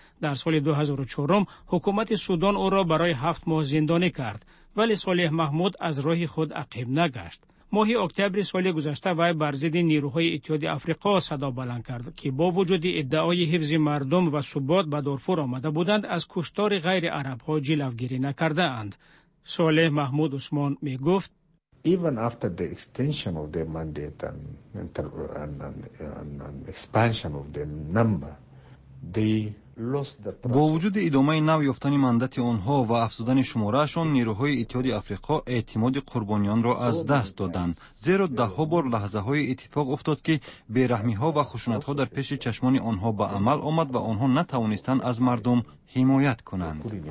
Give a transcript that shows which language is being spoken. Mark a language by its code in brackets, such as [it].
[fa] در سال 2004 حکومت سودان او را برای 7 ماه زندانی کرد، ولی صالح محمود از راه خود عقب نگشت. ماهی اکتبر سال گذشته وی بر ضد نیروهای اتحاد افریقا صدا بلند کرد که با وجود ادعای حفظ مردم و ثبات به دارفور آمده بودند از کشتار غیر عرب ها جلوگیری نکرده اند. صالح محمود عثمان می گفت [en] Even after the extension of their mandate and expansion of their number, they [fa] با وجود ادامه نو یافتن مندت آنها و افزودن شمارهشان نیروهای اتحاد افریقا اعتماد قربانیان را از دست دادند. زیرا ده ها بار لحظه های اتفاق افتاد که بیرحمی ها و خشونت ها در پیش چشمان آنها به عمل آمد و آنها نتوانستند از مردم حمایت کنند.